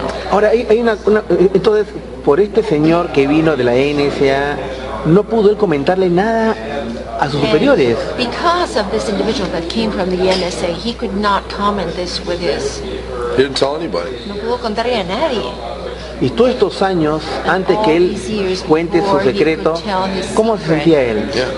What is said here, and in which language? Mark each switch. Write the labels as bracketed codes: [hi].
[es] Ahora, hay una, entonces, por este señor que vino de la NSA, no pudo él comentarle nada a sus superiores. [en] Because of this individual that came from the NSA, he could not comment this with his... He didn't tell anybody. [es] No pudo contarle a nadie. Y todos estos años, antes que él cuente su secreto, ¿cómo se sentía él?